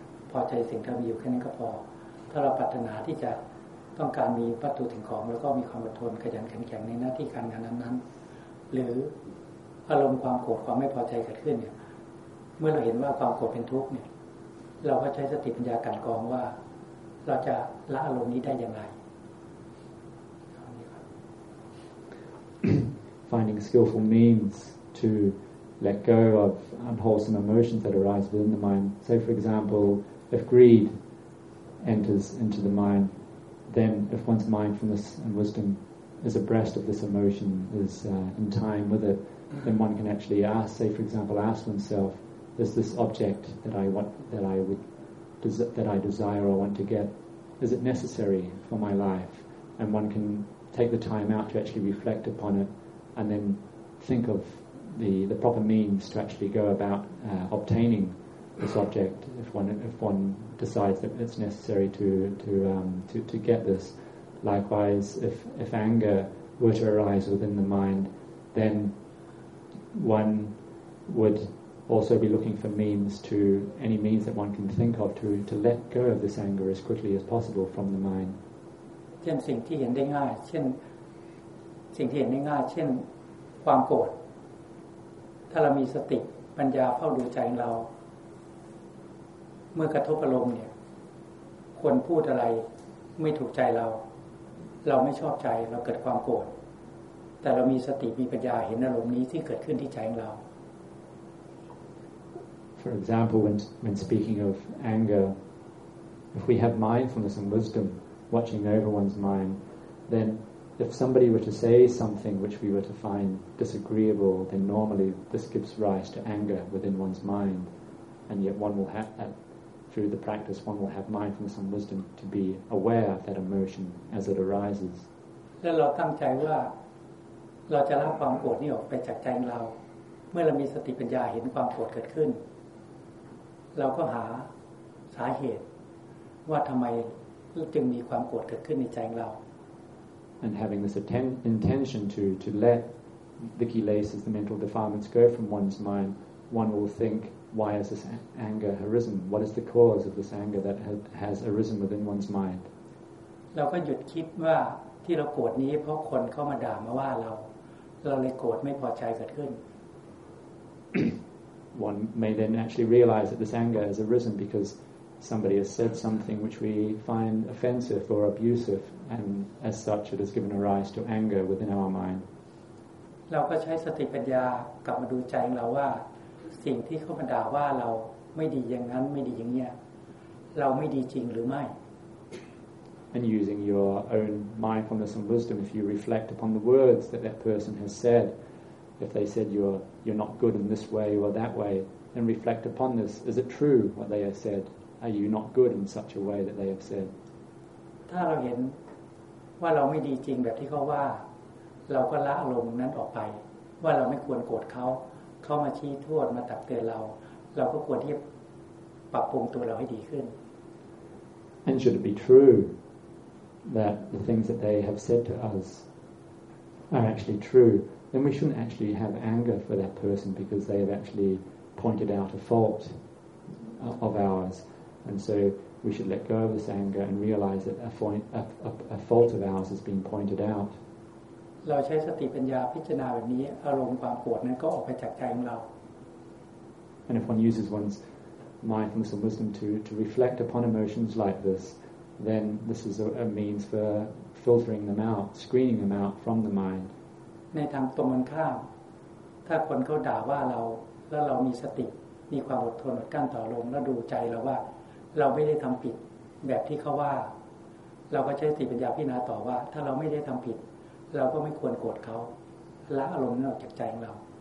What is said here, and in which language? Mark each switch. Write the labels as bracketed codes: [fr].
[th] พอใจสิ่งที่มีอยู่แค่นั้นก็พอถ้าเราปรารถนาที่จะต้องการมีวัตถุถึงของแล้วก็มีความอดทนขยันแข็งในหน้าที่การงานนั้นๆหรืออารมณ์ความโกรธความไม่พอใจเกิดขึ้นเนี่ยเมื่อเราเห็นว่าความโกรธเป็นทุกข์เนี่ยเราก็ใช้สติปัญญากันกองว่าเราจะละอารมณ์นี้ได้อย่างไร [en] Finding skillful means to let go of unwholesome emotions that arise within the mind. So, for example, if greed enters into the mind, then if one's mindfulness and wisdom is abreast of this emotion, is in time with it, then one can actually ask, say, for example, ask oneself, is this object that I want, that I desire or want to get, is it necessary for my life? And one can take the time out to actually reflect upon it. And then think of the proper means to actually go about obtaining this object if one decides that it's necessary to get this. Likewise, if anger were to arise within the mind, then one would also be looking for means to any means that one can think of to let go of this anger as quickly as possible from the mind. [th] เช่นสิ่งที่เห็นได้ง่ายเช่นสิ่งที่เห็นได้ง่ายเช่นความโกรธถ้าเรามีสติปัญญาเฝ้าดูใจของเราเมื่อกระทบอารมณ์เนี่ยคนพูดอะไรไม่ถูกใจเราไม่ชอบใจเราเกิดความโกรธแต่เรามีสติมีปัญญาเห็นอารมณ์นี้ที่เกิดขึ้นที่ใจของเรา [en] For example when speaking of anger if we have mindfulness and wisdom watching over one's mind thenIf somebody were to say something which we were to find disagreeable, then normally this gives rise to anger within one's mind. and yet one will have through the practice one will have mindfulness and wisdom to be aware of that emotion as it arises. [th] แล้วเราตั้งใจว่าเราจะละความโกรธนี้ออกไปจากใจเราเมื่อเรามีสติปัญญาเห็นความโกรธเกิดขึ้นเราก็หาสาเหตุว่าทำไมจึงมีความโกรธเกิดขึ้นในใจเรา [en] And having this intention to let the kilesas, the mental defilements, go from one's mind, one will think, why has this anger arisen? What is the cause of this anger that has arisen within one's mind? [th] เราก็หยุดคิดว่าที่เราโกรธนี้เพราะคนเข้ามาด่ามาว่าเราเราเลยโกรธไม่พอใจเกิดขึ้น [en] One may then actually realize that this anger has arisen because somebody has said something which we find offensive or abusive, and as such, it has given a rise to anger within our mind. [th] เราก็ใช้สติปัญญากลับมาดูใจของเราว่าสิ่งที่เขามาด่าว่าเราไม่ดีอย่างนั้นไม่ดีอย่างเนี้ยเราไม่ดีจริงหรือไม่ [en] And using your own mindfulness and wisdom, if you reflect upon the words that that person has said. If they said you're not good in this way or that way, then reflect upon this. Is it true what they have said? Are you not good in such a way that they have said? [th] ถ้าเราเห็นว่าเราไม่ดีจริงแบบที่เขาว่าเราก็ละอารมณ์นั้นออกไปว่าเราไม่ควรโกรธเขาเขามาชี้โทษมาตักเตือนเราเราก็ควรที่จะปรับปรุงตัวเราให้ดีขึ้น [en] And should it be true that the things that they have said to us are actually true? Then we shouldn't actually have anger for that person because they have actually pointed out a fault of ours, and so we should let go of this anger and realize that a fault of ours has been pointed out. [th] เราใช้สติปัญญาพิจารณาแบบนี้อารมณ์ความโกรธนั้นก็ออกไปจากใจของเรา [en] And if one uses one's mindfulness and wisdom to reflect upon emotions like this, then this is a means for filtering them out, screening them out from the mind. [th] ในทางตรงกันข้ามถ้าคนเขาด่าว่าเราแล้วเรามีสติมีความอดทนอดกั้นต่อลมแล้วดูใจเราว่าเราไม่ได้ทำผิดแบบที่เขาว่าเราก็ใช้สติปัญญาพิจารณาต่อว่าถ้าเราไม่ได้ทำผิดเราก็ไม่ควรโกรธเขาละอารมณ์นั้นออกจากใจของเรา